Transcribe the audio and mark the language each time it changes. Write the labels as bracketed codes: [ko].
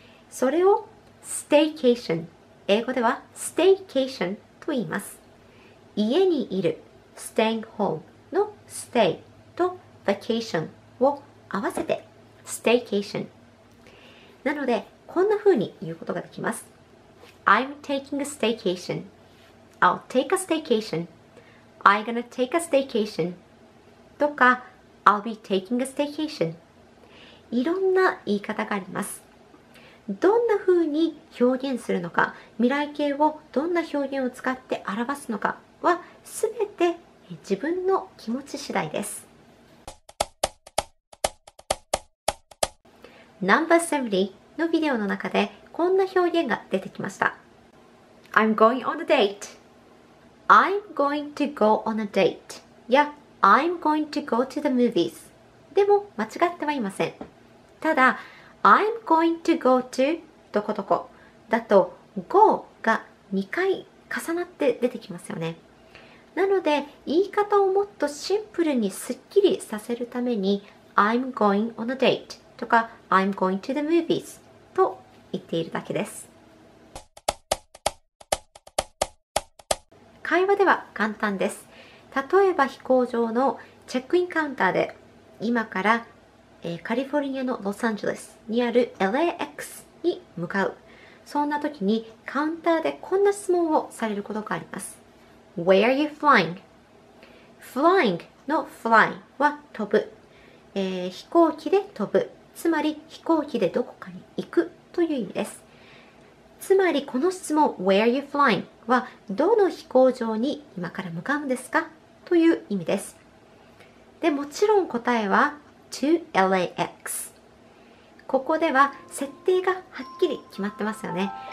[ja] それを staycation、 英語では staycation と言います。家にいる、staying home の stay と vacation を合わせて staycation。なのでこんな風に言うことができます。 [en] I'm taking a staycation、 I'll take a staycation、 I'm gonna take a staycation とか I'll be taking a staycation、 [ja] いろんな言い方があります。どんな風に表現するのか、未来形をどんな表現を使って表すのかはすべて自分の気持ち次第です。 [en] No. [ja] 70のビデオの中でこんな表現が出てきました。 [en] I'm going on a date. I'm going to go on a date. Yeah, I'm going to go to the movies. [ja] でも間違ってはいません。ただ、 [en] I'm going to go to [ja] どこどこだと go が2回重なって出てきますよね。なので、言い方をもっとシンプルにすっきりさせるために [en] I'm going on a date [ja] とか [en] I'm going to the movies [ja] と言っているだけです。会話では簡単です。例えば飛行場のチェックインカウンターで今から、カリフォルニアのロサンゼルスにある LAX に向かう。そんな時にカウンターでこんな質問をされることがあります。 [en] Where are you flying? [ja] Flying の fly は飛ぶ、飛行機で飛ぶ、つまり飛行機でどこかに行くという意味です。つまりこの質問 [en] Where are you flying? [ja] はどの飛行場に今から向かうんですかという意味です。でもちろん答えは To LAX。ここでは設定がはっきり決まってますよね。